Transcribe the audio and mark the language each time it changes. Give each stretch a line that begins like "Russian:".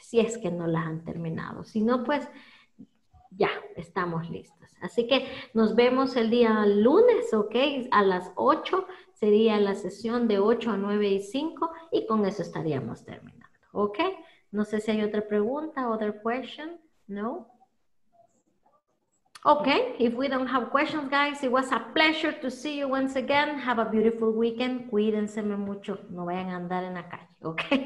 Spanish: Si es que no las han terminado. Si no, pues ya estamos listos. Así que nos vemos el día lunes, ¿ok? A las 8 sería la sesión de 8 a 9 y 5 y con eso estaríamos terminando, ¿ok? No sé si hay otra pregunta,
English: other question,
Spanish: ¿no?
English: Ok, if we don't have questions, guys, it was a pleasure to see you once again. Have a beautiful weekend.
Spanish: Cuídense mucho, no vayan a andar en la calle, ¿ok?